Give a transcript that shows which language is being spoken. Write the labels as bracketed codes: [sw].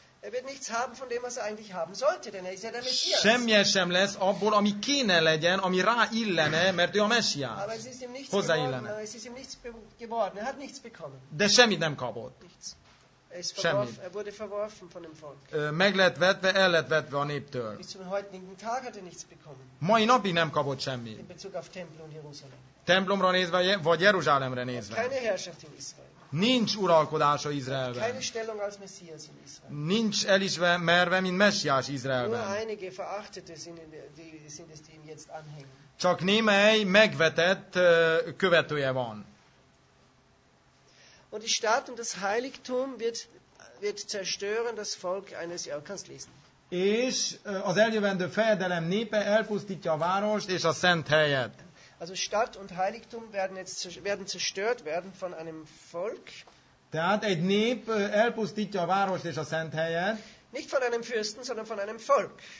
[de] Er wird nichts haben von dem, was er eigentlich haben sollte, denn er ist ja der Messias. [hu] Semmi sem lesz abból, ami kéne legyen, ami rá illene, mert ő a Messias. [de] Aber es ist ihm nichts geworden. Es ist ihm nichts geworden. Er hat nichts bekommen. [hu] De semmit nem kapott. [de] Nichts. Er wurde verworfen von dem Volk. [hu] Meg lett vetve, el lett vetve a néptől. [de] Bis zum heutigen Tag hat er nichts bekommen. [hu] Mai napig nem kapott semmit. [de] In Bezug auf Tempel und Jerusalem. [hu] Templomra nézve, vagy Jeruzsálemre nézve. [de] Keine Herrschaft in Israel. [hu] Nincs uralkodása Izraelben. [de] Keine Stellung als Messias in Israel. [hu] Nincs elisve merve, mint Messiás Izraelben. [de] Nur einige verachtete sind es, die ihm jetzt anhängen. [hu] Csak némely megvetett követője van. [de] Und die Stadt und das Heiligtum wird zerstören das Volk eines Jörgens. [hu] És az eljövendő fejedelem népe elpusztítja a várost és a szent helyet. [de] Also Stadt und Heiligtum werden zerstört werden von einem Volk. [hu] Tehát egy nép elpusztítja a várost és a szent helyet. [de] Nicht von einem Fürsten, sondern von einem Volk.